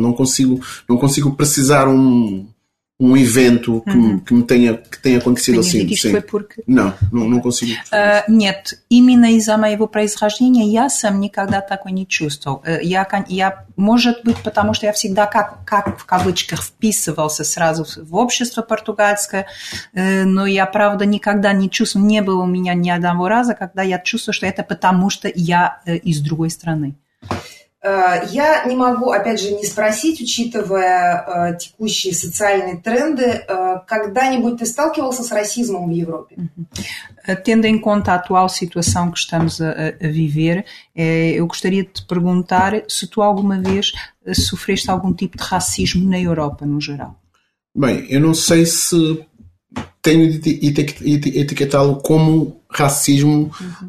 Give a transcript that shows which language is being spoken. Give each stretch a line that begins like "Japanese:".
Portuguese: Não consigo precisar um evento que, uhum. que tenha acontecido assim. Que sim. Foi porque... Não consigo.
Russian: Нет, именно из-за моего происхождения я сам никогда такой не чувствовал. Я, может быть, потому что я всегда как в кавычках вписывался сразу в общество португальское, но я правда никогда не чувствовал, не было у меня ни одного раза, когда я чувствовал, что это потому что я из другой страны. Я не могу, опять же, не спросить, учитывая текущие социальные тренды, когда-нибудь ты сталкивался с расизмом в Европе?
Portuguese: Tendo em conta a atual situação que estamos a viver, eu gostaria de te perguntar se tu alguma vez sofreste algum tipo de racismo na Europa, no geral. Bem, eu não sei se tenho de etiquetá-lo como racismo. Uhum.